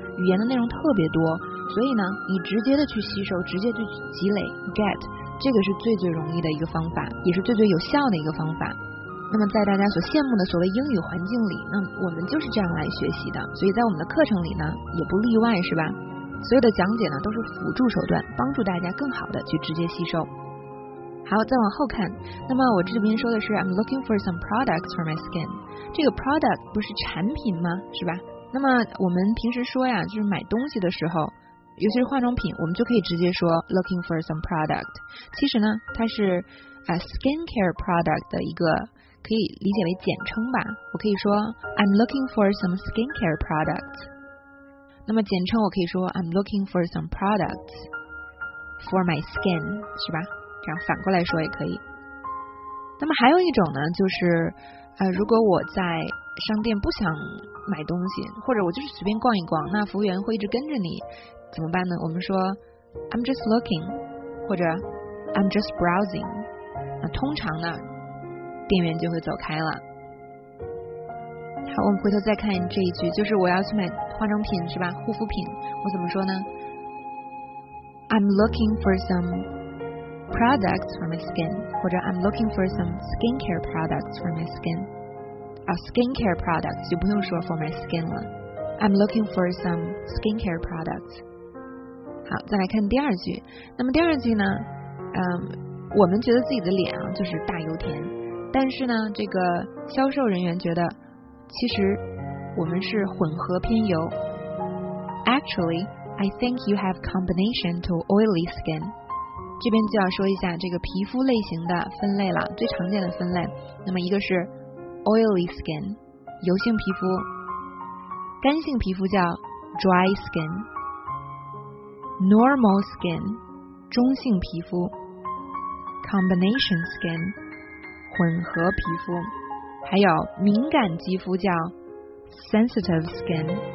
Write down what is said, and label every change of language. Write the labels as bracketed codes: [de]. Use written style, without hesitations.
[zh] 语言的内容特别多，所以呢，你直接的去吸收，直接去积累 get， 这个是最最容易的一个方法，也是最最有效的一个方法。那么在大家所羡慕的所谓英语环境里，那我们就是这样来学习的，所以在我们的课程里呢也不例外，是吧？所有的讲解呢都是辅助手段，帮助大家更好的去直接吸收。好，再往后看。那么我这边说的是 [en] I'm looking for some products for my skin， [zh] 这个 product 不是产品吗，是吧？那么我们平时说呀，就是买东西的时候，尤其是化妆品，我们就可以直接说 [en] looking for some product。 [zh] 其实呢，它是skincare product 的一个可以理解为简称吧，我可以说 [en] I'm looking for some skincare products。 [zh] 那么简称我可以说 [en] I'm looking for some products for my skin， [zh] 是吧，这样反过来说也可以。那么还有一种呢，就是如果我在商店不想买东西，或者我就是随便逛一逛，那服务员会一直跟着你，怎么办呢？我们说 [en] I'm just looking， [zh] 或者 [en] I'm just browsing。 [zh] 那通常呢店员就会走开了。好，我们回头再看这一句，就是我要去买化妆品，是吧，护肤品，我怎么说呢？ [en] I'm looking for some products for my skin， [zh] 或者 [en] I'm looking for some skincare products for my skin。 Skincare products [zh] 就不用说 [en] for my skin 了， I'm looking for some skincare products。 [zh] 好，再来看第二句。那么第二句呢，我们觉得自己的脸啊就是大油田，但是呢这个销售人员觉得其实我们是混合偏油。 [en] Actually I think you have combination to oily skin。 [zh] 这边就要说一下这个皮肤类型的分类了，最常见的分类，那么一个是oily skin， 油性皮肤，干性皮肤叫 dry skin， normal skin， 中性皮肤， combination skin， 混合皮肤，还有敏感肌肤叫 sensitive skin。